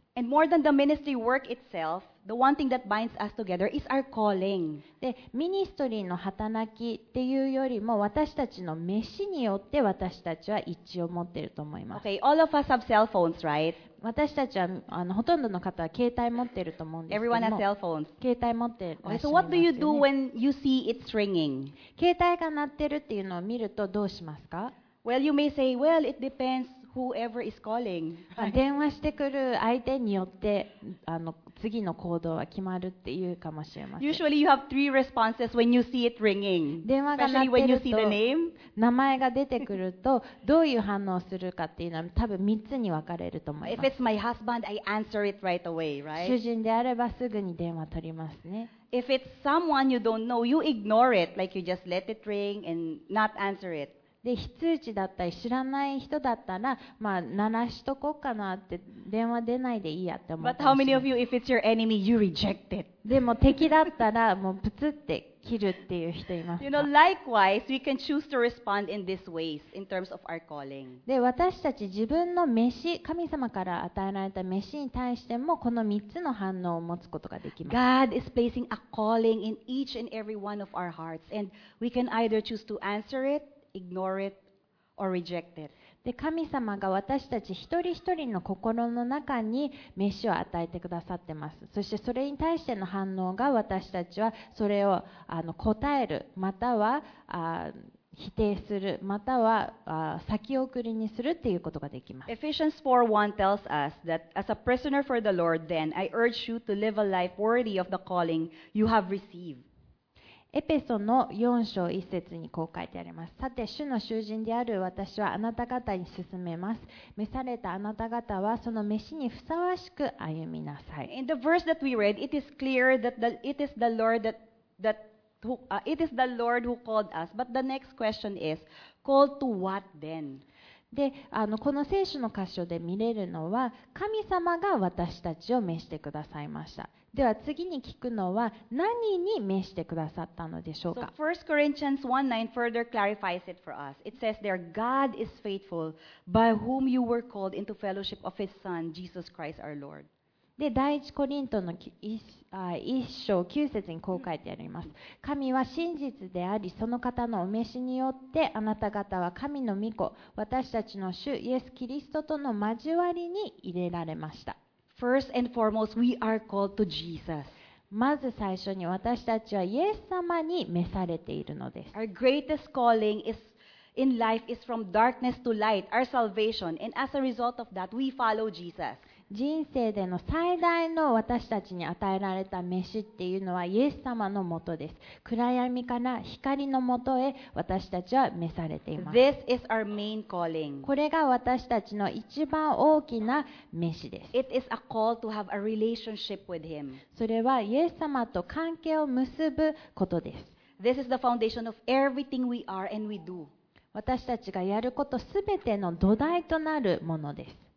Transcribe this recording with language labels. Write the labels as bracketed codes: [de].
[en] And more than the ministry work itself, the one thing that binds us together is our calling. [ja] で、ミニストリーの働きっていうよりも私たちの召しによって私たちは一致を持っていると思います。 [en] Okay, all of us have cell phones, right? [ja] 私たちはほとんどの方は携帯持っていると思うんですけども。 [en] Everyone has cell phones. [ja] 携帯持っていらっしゃいますよね。 [en] Okay, so what do you do when you see it's ringing? [ja] 携帯が鳴ってるっていうのを見るとどうしますか？ [en] Well, you may say, well, it depends whoever is calling. [ja] 電話してくる相手によって次の行動は決まるっていうかもしれません。 [en] Usually you have three responses when you see it ringing. [ja] 電話が鳴ってると名前が出てくるとどういう反応をするかっていうのは多分3つに分かれると思います。 [en] If it's my husband, I answer it right away, right? [ja] 主人であればすぐに電話取りますね。 [en] If it's someone you don't know, you ignore it, like you just let it ring and not answer it. [ja] で、非通知だったり知らない人だったら、まあ鳴らしとこうかなって、電話出ないでいいやって思う。 [en] But how many of you, if it's your enemy, you reject it? [ja] でも敵だったらもうプツって切るっていう人いますか？ [en] You know, likewise, we can choose to respond in these ways in terms of our calling. [ja] で、私たち自分の召し、神様から与えられた召しに対してもこの3つの反応を持つことができます。 [en] God is placing a calling in each and every one of our hearts, and we can either choose to answer it. Ignore it or reject it. [ja] で、神様が私たち一人一人の心の中に召しを与えてくださってます。そしてそれに対しての反応が私たちはそれを答える、または否定する、または先送りにするっていうことができます。 [en] Ephesians 4:1 tells us that as a prisoner for the Lord then I urge you to live a life worthy of the calling you have received. [ja] エペソの4章1節にこう書いてあります。さて主の囚人である私はあなた方に勧めます、召されたあなた方はその召しにふさわしく歩みなさい。 [en] In the verse that we read, it is clear that it is the Lord it is the Lord who called us. But the next question is, called to what then? [ja] で、この聖書の箇所で見れるのは、神様が私たちを召してくださいました。では次に聞くのは、何に召してくださったのでしょうか。 [en] So 1 Corinthians 1:9 further clarifies it for us. It says there, God is faithful by whom you were called into fellowship of his son Jesus Christ our Lord. [ja] で、第一コリントの1章9節にこう書いてあります。神は真実であり、その方のお召しによってあなた方は神の御子、私たちの主イエス・キリストとの交わりに入れられました。 [en] First and foremost, we are called to Jesus. [ja] まず最初に私たちはイエス様に召されているのです。 [en] Our greatest calling is in life is from darkness to light, our salvation, and as a result of that, we follow Jesus. [ja] 人生での最大の私たちに与えられた召しっていうのはイエス様のもとです。暗闇から光のもとへ私たちは召されています。 [en] This is our main calling. [ja] これが私たちの一番大きな召しです。 [en] It is a call to have a relationship with him. [ja] それはイエス様と関係を結ぶことです。 [en] This is the foundation of everything we are and we do. [ja] 私たちがやることすべての土台となるものです。